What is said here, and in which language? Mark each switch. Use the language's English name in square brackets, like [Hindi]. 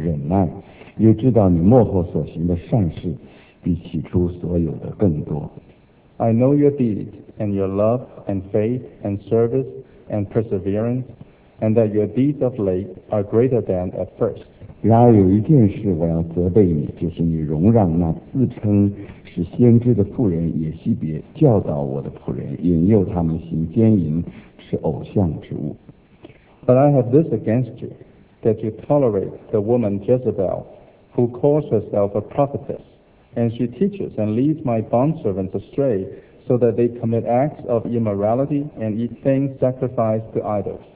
[Chinese] 我知道你的行为、爱心、信心、勤劳、忍耐，又知道你末后所行的善事。 [English] I know your deeds, and your love, and faith, and service, and perseverance, and that your deeds of late are greater than at first. [Chinese] 然而有一件事我要责备你，就是你容让那自称是先知的妇人也希别教导我的仆人，引诱他们行奸淫，吃偶像之物。 [English] But I have this against you, that you tolerate the woman Jezebel, who calls herself a prophetess. And she teaches and leads my bondservants astray, so that they commit acts of immorality and eat things sacrificed to idols.